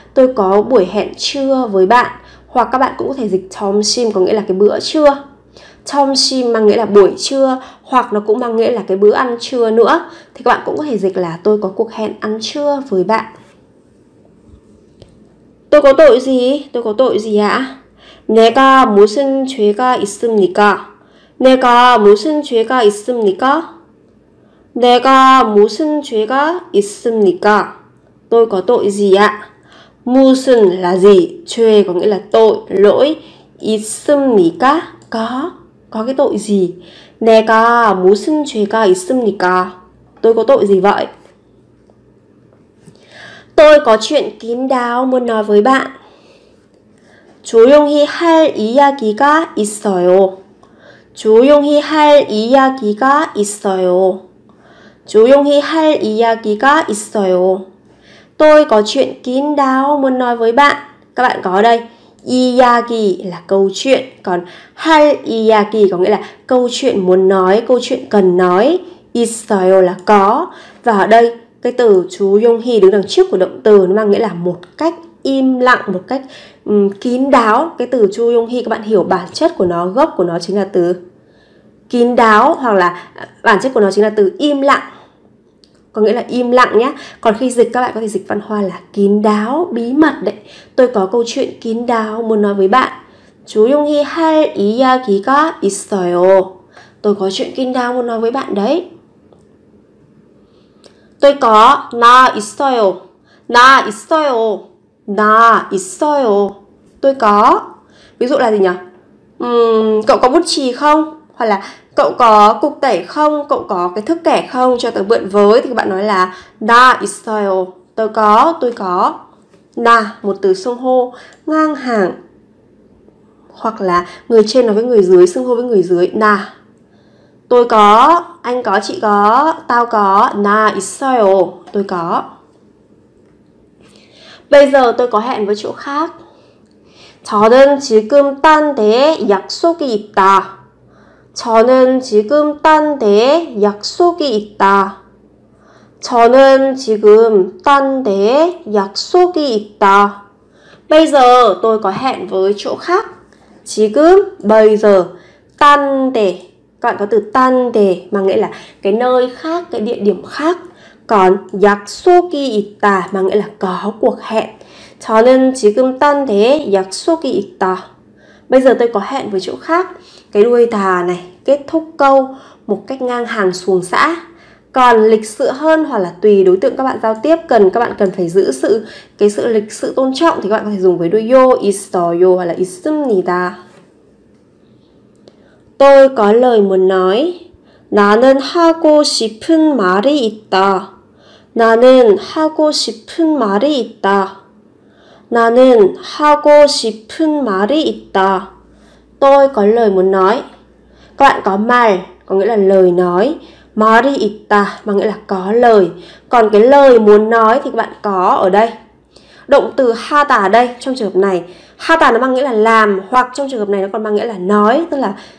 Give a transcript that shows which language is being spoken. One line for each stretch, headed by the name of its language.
Vietnamese: Tôi có buổi hẹn trưa với bạn. Hoặc các bạn cũng có thể dịch 점심 có nghĩa là cái bữa trưa. 점심 mang nghĩa là buổi trưa, hoặc nó cũng mang nghĩa là cái bữa ăn trưa nữa. Thì các bạn cũng có thể dịch là tôi có cuộc hẹn ăn trưa với bạn. Tôi có tội gì? Tôi có tội gì ạ?
Korean: 내가 무슨 죄가 있습니까? 내가 무슨 죄가 있습니까? 내가 무슨 죄가 있습니까?
Vietnamese: Tôi có tội gì ạ? 무슨 là gì? 죄 có nghĩa là tội, lỗi. 있습니까? Có. Có cái tội gì?
Korean: 내가 무슨 죄가 있습니까?
Vietnamese: Tôi có tội gì vậy? Tôi có chuyện kín đáo muốn nói với bạn.
Korean: 조용히 할 이야기가 있어요. 조용히 할 이야기가 있어요. 조용히 할 이야기가 있어요.
Vietnamese: Tôi có chuyện kín đáo muốn nói với bạn. Các bạn có đây. 이야기 là câu chuyện, còn 할 이야기 có nghĩa là câu chuyện muốn nói, câu chuyện cần nói. 있어요 là có. Và ở đây cái từ 조용히 đứng đằng trước của động từ nó mang nghĩa là một cách im lặng, một cách kín đáo. Cái từ 조용히 các bạn hiểu bản chất của nó, gốc của nó chính là từ kín đáo, hoặc là bản chất của nó chính là từ im lặng, có nghĩa là im lặng nhé. Còn khi dịch các bạn có thể dịch văn hoa là kín đáo, bí mật đấy. Tôi có câu chuyện kín đáo muốn nói với bạn.
Korean: 조용히 할 이야기가 있어요.
Vietnamese: Tôi có chuyện kín đáo muốn nói với bạn đấy. Tôi có
Korean: 나 있어요. 나 있어요. 나 있어요.
Vietnamese: Tôi có. Ví dụ là gì nhỉ? Cậu có bút chì không? Hoặc là cậu có cục tẩy không? Cậu có cái thước kẻ không? Cho tớ mượn với. Thì các bạn nói là
Korean: 나 있어요.
Vietnamese: Tôi có, tôi có. 나 một từ xưng hô ngang hàng, hoặc là người trên nói với người dưới, xưng hô với người dưới. 나 tôi có, anh có, chị có, tao có.
Korean: 나 있어요.
Vietnamese: Tôi có. Bây giờ tôi có hẹn với chỗ khác.
Korean: 저는 지금 딴 데 약속이 있다. 저는 지금 딴 데 약속이 있다. 저는 지금 딴 데 약속이 있다.
Vietnamese: Bây giờ tôi có hẹn với chỗ khác. 지금 bây giờ 딴 데. Các bạn có từ 딴 데 mà nghĩa là cái nơi khác, cái địa điểm khác. Còn
Korean: 약속이 있다
Vietnamese: mà nghĩa là có cuộc hẹn.
Korean: 저는 지금 딴 데 약속이 있다.
Vietnamese: Bây giờ tôi có hẹn với chỗ khác. Cái đuôi thà này kết thúc câu một cách ngang hàng xuồng xã. Còn lịch sự hơn hoặc là tùy đối tượng các bạn giao tiếp cần, các bạn cần phải giữ sự cái sự lịch sự tôn trọng, thì các bạn có thể dùng với đuôi 요, 있어요 hoặc là 있습니다. Tôi có lời muốn nói.
Korean: 나는 하고 싶은 말이 있다. 나는 하고 싶은 말이 있다. 나는 하고 싶은 말이 있다.
Vietnamese: Tôi có lời muốn nói. Các bạn có 말 có nghĩa là lời nói.
Korean: 말이 있다
Vietnamese: mà nghĩa là có lời. Còn cái lời muốn nói thì các bạn có ở đây. Động từ 하다 ở đây trong trường hợp này, 하다 nó mang nghĩa là làm, hoặc trong trường hợp này nó còn mang nghĩa là nói, tức là